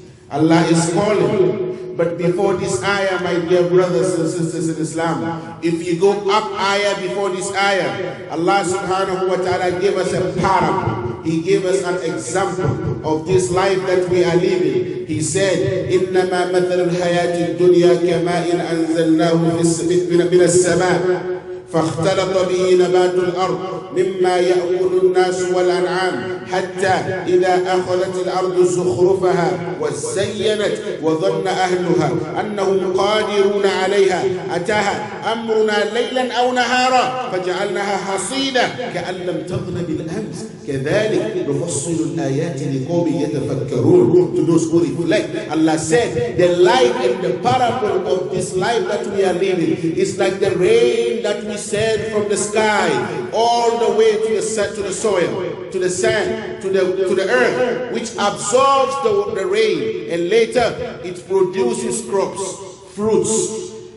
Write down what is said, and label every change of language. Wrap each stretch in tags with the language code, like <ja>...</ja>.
<en>Allah is calling. But before this ayah, my dear brothers and sisters in Islam, if you go up ayah before this ayah, Allah subhanahu wa ta'ala gave us a parable. He gave us an example of this life that we are living. He said,</en> <ar>"Innama mathal al-hayati al-dunya kama'in anzalnahu min as-samaa فاختلط به نبات الأرض مما يأكل الناس والأنعام حتى إذا أخذت الأرض زخرفها وزينت وظن أهلها أنهم قادرون عليها أتاها أمرنا ليلا أو نهارا فجعلناها حصيدة كأن لم تغن بالأمس كذلك نفصل الآيات لقوم يتفكرون."</ar> <en>To those who reflect, Allah said, the light and the parable of this life that we are living is like the rain that we send from the sky all the way to the soil, to the sand, to the earth, which absorbs the rain, and later it produces crops, fruits,</en>